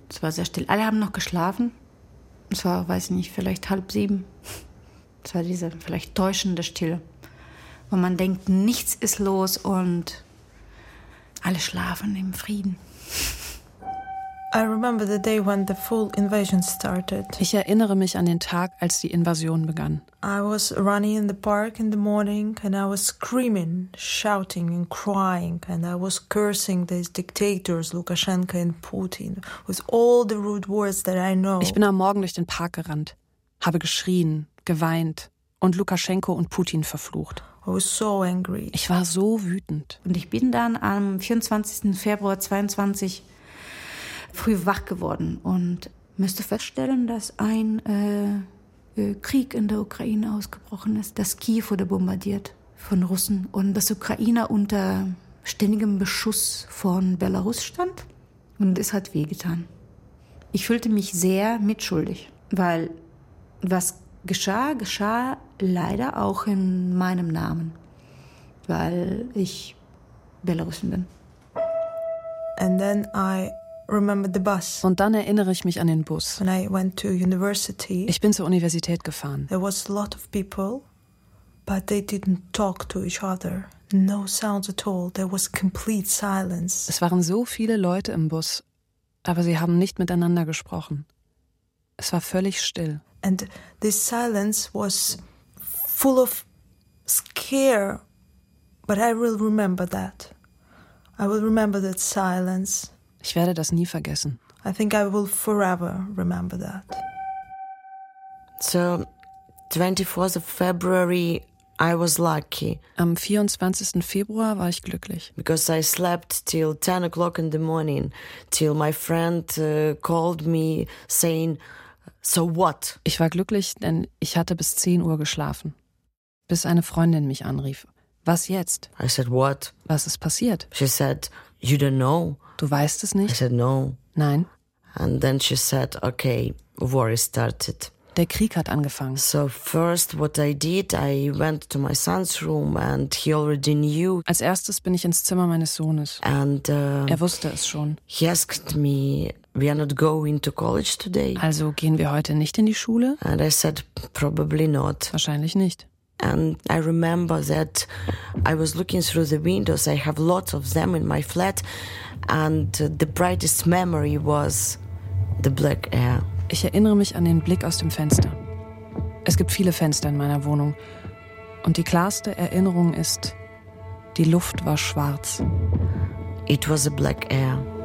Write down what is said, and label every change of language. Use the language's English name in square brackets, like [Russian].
[German] Es war sehr still. Alle haben noch geschlafen. Es war, weiß ich nicht, vielleicht 6:30. Es war diese vielleicht täuschende Stille. Wo man denkt, nichts ist los und alle schlafen im Frieden. [English] I remember the day when the full invasion started. [German] Ich erinnere mich an den Tag, als die Invasion begann. [English] I was running in the park in the morning and I was screaming, shouting and crying and I was cursing these dictators Lukashenko and Putin with all the rude words that I know. [German] Ich bin am Morgen durch den Park gerannt, habe geschrien, geweint und Lukaschenko und Putin verflucht. [English] I was so angry. [German] Ich war so wütend. Und ich bin dann am 24. Februar 22 früh wach geworden und müsste feststellen, dass ein Krieg in der Ukraine ausgebrochen ist. Das Kiew wurde bombardiert von Russen und dass Ukraine unter ständigem Beschuss von Belarus stand. Und es hat wehgetan. Ich fühlte mich sehr mitschuldig, weil was geschah, geschah leider auch in meinem Namen, weil ich Belarusin bin. [English] And then I remember the bus. [German] Und dann erinnere ich mich an den Bus. [English] When I went to university, [German] ich bin zur Universität gefahren. [English] There was a lot of people, but they didn't talk to each other. No sounds at all. There was complete silence. [German] Es waren so viele Leute im Bus, aber sie haben nicht miteinander gesprochen. Es war völlig still. [English] And this silence was full of scare, but I will remember that. I will remember that silence. [German] Ich werde das nie vergessen. [English] I think I will forever remember that. So, 24th of February, I was lucky. [German] Am 24. Februar war ich glücklich. [English] Because I slept till 10 o'clock in the morning, till my friend called me saying, so what? [German] Ich war glücklich, denn ich hatte bis 10 Uhr geschlafen. Bis eine Freundin mich anrief. Was jetzt? [English] I said, what? [German] Was ist passiert? [English] She said, you don't know. [German] Du weißt es nicht? [English] I said, no. [German] Nein. [English] And then she said, okay, war started. [German] Der Krieg hat angefangen. [English] So first what I did, I went to my son's room and he already knew. [German] Als erstes bin ich ins Zimmer meines Sohnes. [English] And [German] er wusste es schon. [English] He asked me, we are not going to college today. [German] Also gehen wir heute nicht in die Schule? [English] And I said, probably not. [German] Wahrscheinlich nicht. [English] And I remember that I was looking through the windows. I have lots of them in my flat. And the brightest memory was the black air. [German] Ich erinnere mich an den Blick aus dem Fenster. Es gibt viele Fenster in meiner Wohnung. Und die klarste Erinnerung ist, die Luft war schwarz. [English] It was a black air.